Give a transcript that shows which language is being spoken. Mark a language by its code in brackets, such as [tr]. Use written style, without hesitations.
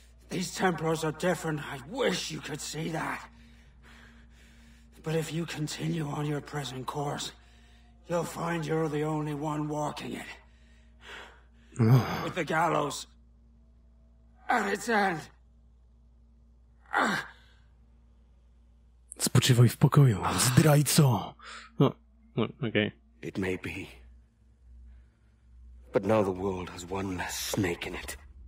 [en] These Templars are different. I wish you could see that. But if you continue on your present course, you'll find you're the only one walking it. With the gallows at its end. [pl] Spoczywaj w pokoju, zdrajco! No, no okej. Okay. [en] It may be. But now the world has one less snake in it.